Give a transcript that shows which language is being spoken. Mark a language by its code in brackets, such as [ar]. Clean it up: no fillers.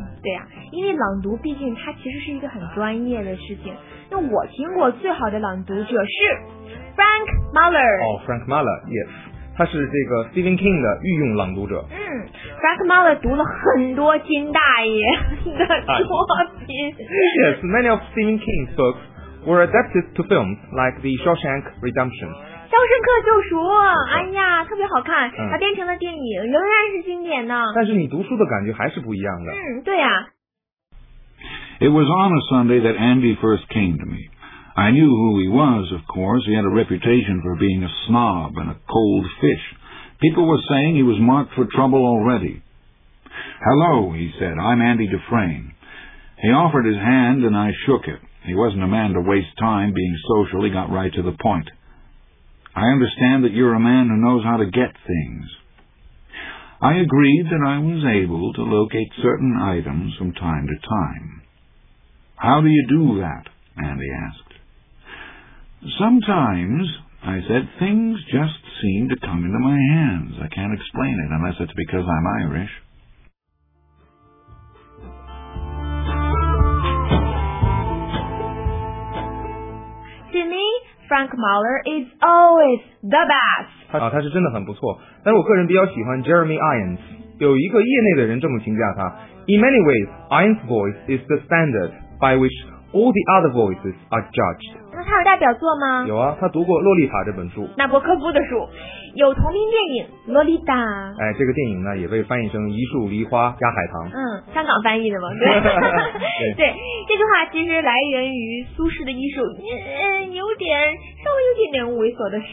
[zh] 对呀、啊，因为朗读毕竟它其实是一个很专业的事情。那我听过最好的朗读者是 Frank Muller。 [en] 哦 ，Frank Muller, yes. [zh] 他是这个 Stephen King 的御用朗读者。嗯 ，Frank Muller 读了很多金大爷的作品。 [en] Yes, many of Stephen King's books were adapted to films like The Shawshank Redemption. 肖申克救赎，哎呀，特别好看，它变成了电影，仍然是经典呢。但是你读书的感觉还是不一样的。嗯，对呀、啊。 It was on a Sunday that Andy first came to me. I knew who he was, of course. He had a reputation for being a snob and a cold fish. People were saying he was marked for trouble already. Hello, he said. I'm Andy Dufresne. He offered his hand, and I shook it. He wasn't a man to waste time being social. He got right to the point. I understand that you're a man who knows how to get things. I agreed that I was able to locate certain items from time to time. How do you do that? Andy asked. Sometimes, I said, things just seem to come into my hands. I can't explain it unless it's because I'm Irish. To me, Frank Muller is always the best. [zh] 啊，他是真的很不错。但是我个人比较喜欢 Jeremy Irons。有一个业内的人这么评价他 [en] ：In many ways, Irons' voice is the standard by which all the other voices are judged. [zh] 他有代表作吗？有啊，他读过《洛丽塔》这本书，纳博科夫的书，有同名电影《洛丽塔》。哎，这个电影呢也被翻译成《一树梨花加海棠》。嗯，香港翻译的嘛，对。对, 对，这句话其实来源于苏轼的一首，有点稍微有点点猥琐的诗。